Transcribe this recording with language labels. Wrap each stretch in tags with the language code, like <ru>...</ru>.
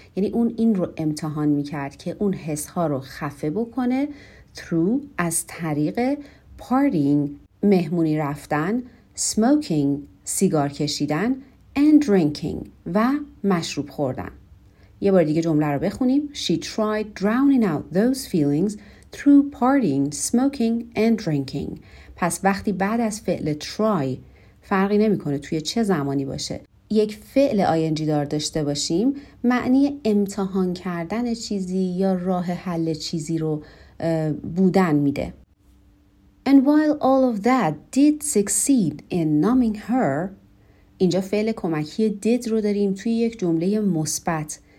<fa>یعنی اون این رو امتحان میکرد که اون حس ها رو خفه بکنه through از طریق partying مهمونی رفتن، smoking سیگار کشیدن and drinking و مشروب خوردن. یه بار دیگه جمله رو بخونیم.</fa> <en>She tried drowning out those feelings through partying, smoking and drinking.</en> <fa>پس وقتی بعد از فعل try، فرقی نمی کنه توی چه زمانی باشه، یک فعل ing دار داشته باشیم، معنی امتحان کردن چیزی یا راه حل چیزی رو بودن میده.</fa> <en>And while all of that did succeed in numbing her،</en> <fa>اینجا فعل کمکی did رو داریم توی یک جمله مثبت.</fa>